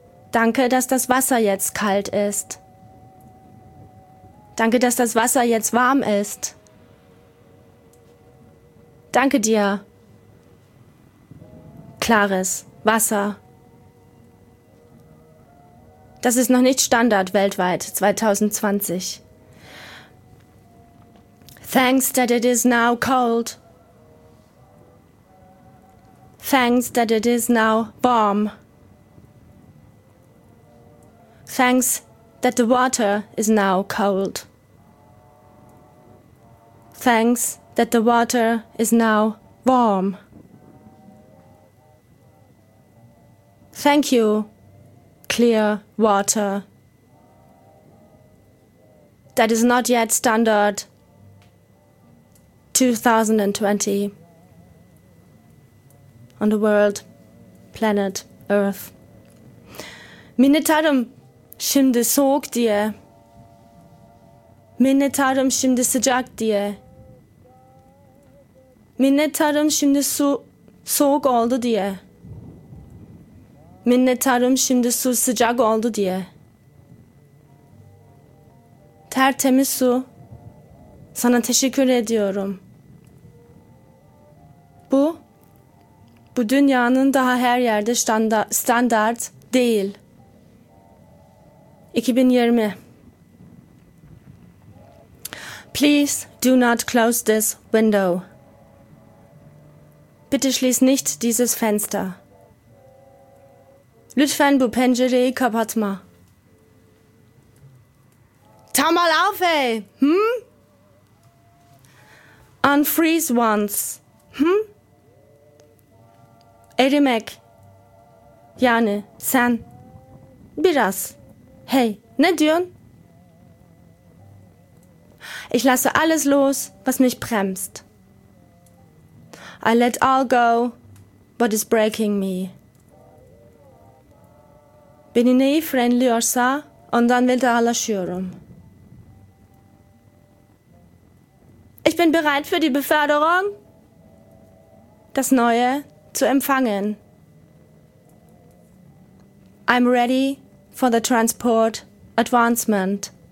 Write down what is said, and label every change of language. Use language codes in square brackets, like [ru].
[de] Danke, dass das Wasser jetzt kalt ist. Danke, dass das Wasser jetzt warm ist. Danke dir. Klares Wasser. Das ist noch nicht Standard weltweit 2020. [en] Thanks that it is now cold. Thanks that it is now warm. Thanks that the water is now cold. Thanks that the water is now warm. Thank you, clear water. That is not yet standard 2020 on the world, planet, earth. [tr] Minnettarım şimdi soğuk diye. Minnettarım şimdi sıcak diye. Minnettarım şimdi soğuk oldu diye. Minnettarım şimdi su sıcak oldu diye. Tertemiz su. Sana teşekkür ediyorum. Bu dünyanın daha her yerde standart değil. 2020. [en] Please do not close this window. [de] Bitte schließ nicht dieses Fenster. [tr] Lütfen bu pencereyi kapatma. [de] Tau mal auf, ey! Hm? [en] Unfreeze once. Hm? [tr] Erimek. Yani sen. Biraz. Hey, ne Dürn? [de] Ich lasse alles los, was mich bremst. [en] I let all go, what is breaking me. [tr] Beni neyi frenliyorsa, ondan vedalaşıyorum. [de] Ich bin bereit für die Beförderung, das Neue zu empfangen. [en] I'm ready for the transport advancement.